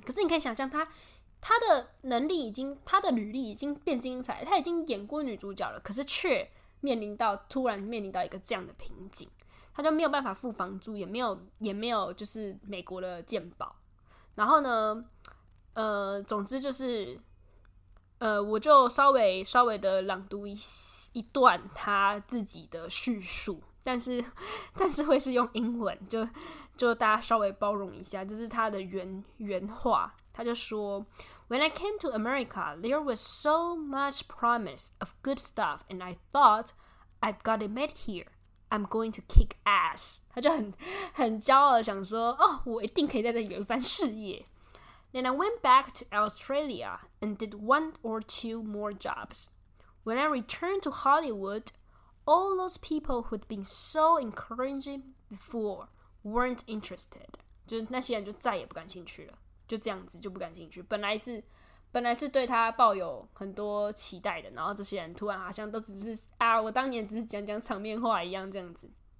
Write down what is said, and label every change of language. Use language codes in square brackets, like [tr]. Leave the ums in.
[zh] 可是你可以想象他，他他的能力已经，他的履历已经变精彩，他已经演过女主角了，可是却面临到突然面临到一个这样的瓶颈，他就没有办法付房租，也没有也没有就是美国的鉴宝，然后呢，呃，总之就是，呃，我就稍微稍微的朗读一一段他自己的叙述。但是但是会是用英文，就就大家稍微包容一下，这是他的原原话，他就说： [en] “When I came to America, there was so much promise of good stuff, and I thought I've got it made here.” I'm going to kick ass， [zh] 他就很很骄傲，想说哦，我一定可以在这里有一番事业。 [en] Then oh, I went back to Australia and did one or two more jobs. When I returned to Hollywood, all those people who'd been so encouraging before weren't interested. [zh] 就是那些人就再也不感兴趣了，就这样子就不感兴趣。本来是本来是对他抱有很多期待的，然后这些人突然好像都只是啊，我当年只是讲讲场面话一样这样子。